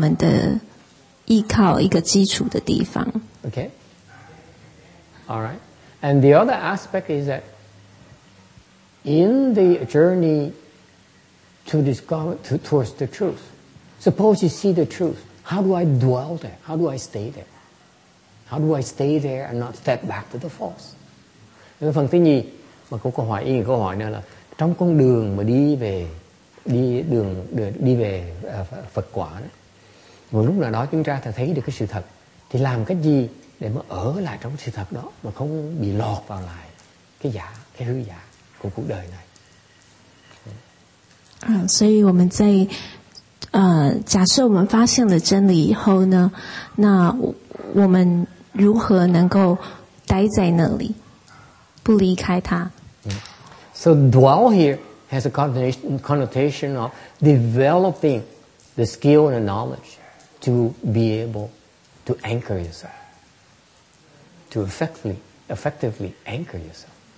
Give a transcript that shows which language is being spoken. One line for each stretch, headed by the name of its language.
Chinese: 所以说我们的这个意思就是说我们的基础是什么？对，家里好像是我们的，就如同我们的家是一个我们的依靠、一个基础的地方。
English: Okay. All right. And the other aspect is that in the journey to discover towards the truth. Suppose you see the truth. How do I dwell there? How do I stay there? How do I stay there and not step back to the false?
Vietnamese: Cái phần thứ nhì mà có câu hỏi, ý nghĩa câu hỏi nữa là trong con đường mà đi về Phật quả đó, một lúc nào đó chúng ta sẽ thấy được cái sự thật, thì làm cách gì để mà ở lại trong sự thật đó mà không bị lọt vào lại cái giả, cái hư giả của cuộc đời này.
Chinese: À, 所以我们在 假设我们发现了真理以后呢，那我们如何能够待在那里，不离开它？
English: So dwell here has a connotation of developing the skill and the knowledge to be able to anchor yourself, to effectively anchor yourself.